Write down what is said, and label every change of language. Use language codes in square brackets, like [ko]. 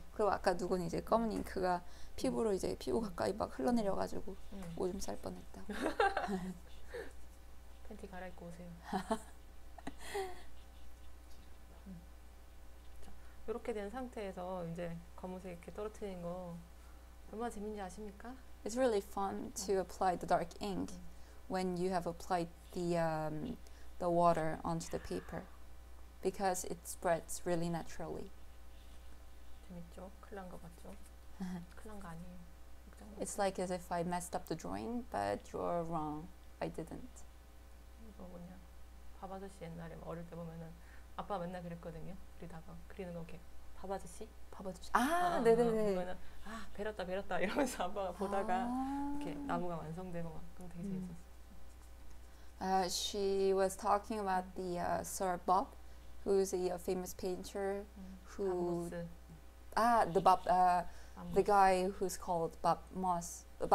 [ko] 그리고 아까 누군 이제 검은 잉크가 피부로 이제 피부 가까이 막 흘러내려가지고 오줌 쌀 뻔했다고. 팬티 갈아입고 오세요. 자, 이렇게 된 상태에서 이제 검은색 이렇게 떨어뜨린 거 얼마나 재밌는지 아십니까? [en] It's really fun to apply the dark ink when you have applied the water onto the paper. Because it spreads really naturally. [ko] 재밌죠? 큰일 난 거 같죠? 큰일 난 거 아니에요. 걱정 마세요. [en] It's like as if I messed up the drawing, but you're wrong. I didn't. [ko] 이거 뭐냐? 밥 아저씨 옛날에 어릴 때 보면은 아빠 맨날 그랬거든요. 그리다가 그리는 거 이렇게 밥 아저씨? 밥 아저씨. 아, 네네네. 이거는 아, 베렸다, 베렸다 이러면서 아빠가 보다가 이렇게 나무가 완성되고 막 그런 되게 재밌었어. [en] She was talking about the Sir Bob. Who's a famous painter who the guy who's called Bob Ross.